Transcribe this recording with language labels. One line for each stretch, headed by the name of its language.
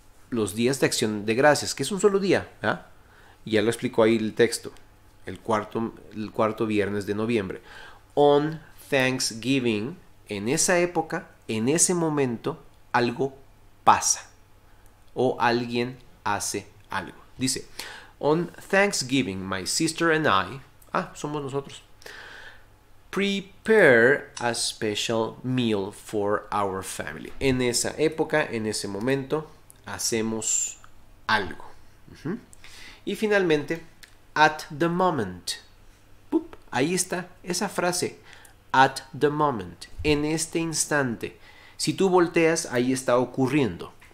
Spanish: Los días de Acción de Gracias, que es un solo día, ¿verdad? Ya lo explicó ahí el texto. El cuarto viernes de noviembre.
English: On Thanksgiving,
Spanish: en esa época, en ese momento, algo pasa. O alguien hace algo. Dice,
English: on Thanksgiving, my sister and I,
Spanish: somos nosotros,
English: prepare a special meal for our family.
Spanish: En esa época, en ese momento, hacemos algo. Y finalmente,
English: at the moment.
Spanish: Pup, ahí está esa frase.
English: At the moment.
Spanish: En este instante. Si tú volteas, ahí está ocurriendo.